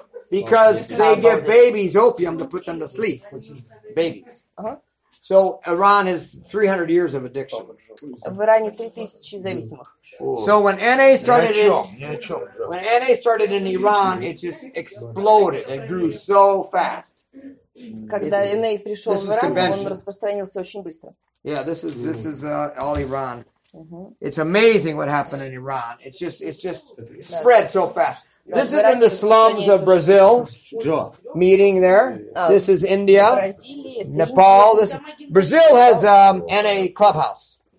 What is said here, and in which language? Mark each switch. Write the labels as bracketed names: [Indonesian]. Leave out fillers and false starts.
[English] Because they give babies opium to put them to sleep. Babies. So Iran is 300 years of addiction. [Russian] В Иране 3000 зависимых. [English] So when NA started in Iran, it just exploded. It grew so fast. [Russian] Когда NA пришел в Иран, он распространился очень быстро. [English] Yeah, this is all Iran. It's amazing what happened in Iran. It's just spread so fast. This is in the slums of Brazil, meeting there. This is India, Nepal. This Brazil has NA clubhouse.